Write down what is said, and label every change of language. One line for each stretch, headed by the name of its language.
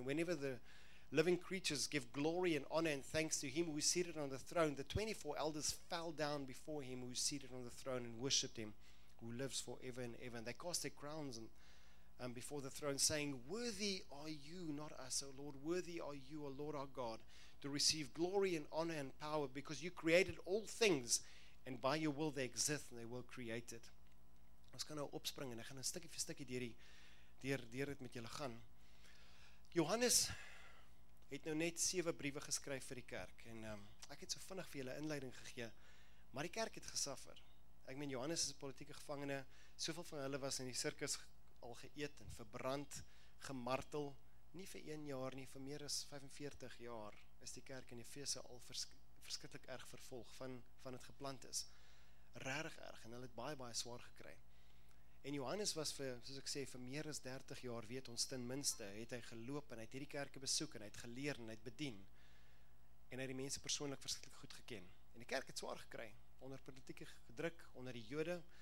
English: And whenever the living creatures give glory and honor and thanks to him who is seated on the throne, the 24 elders fell down before him who is seated on the throne and worshipped him, who lives forever and ever. And they cast their crowns and before the throne, saying, worthy are you, not us, O Lord. Worthy are you, O Lord our God, to receive glory and honor and power, because you created all things, and by your will they exist, and they were created.
Afrikaans: Ons kan nou opspring, en ek gaan een stukkie vir stukkie deur het met julle gaan. Johannes het nou net 7 briewe geskryf vir die kerk, en ek het so vinnig vir julle inleiding gegee, maar die kerk het gesuffer. Ek meen, Johannes is 'n politieke gevangene, soveel van hulle was in die sirkus al geëet en verbrand, gemartel, nie vir 1 jaar nie, vir meer as 45 jaar is die kerk in Efese al verskriklik erg vervolg van het geplant is. Regtig erg, en hulle het baie, baie swaar gekry. En Johannes was soos ek sê, vir meer as 30 jaar, weet ons ten minste, het hy geloop en hy het hierdie kerke besoek en hy het geleer en hy het bedien. En hy het die mense persoonlik verskriklik goed geken. En die kerk het swaar gekry, onder politieke gedruk, onder die Jode.